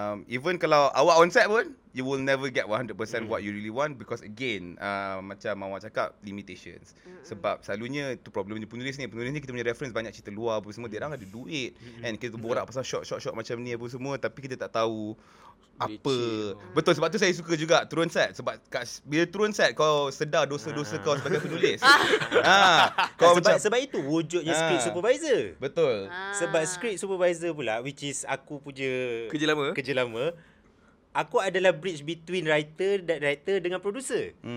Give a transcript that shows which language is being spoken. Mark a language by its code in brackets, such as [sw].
[en] Even [ms] kalau awak [en] on set pun, you will never get 100% what you really want, because again, [ms] macam awak cakap, [en] limitations. [ms] Sebab selalunya tu problemnya penulis ni. Penulis ni kita punya reference banyak cerita luar apa semua, dia orang ada duit. And kita borak pasal shot macam ni apa semua, tapi kita tak tahu apa. Betul, sebab tu saya suka juga turun set. Sebab bila turun set, kau sedar dosa-dosa kau sebagai penulis. Kau sebab, macam, sebab itu wujudnya script supervisor. Betul. Sebab script supervisor pula, [en] which is [ms] aku punya kerja lama, aku adalah [en] bridge between writer dan director dengan producer.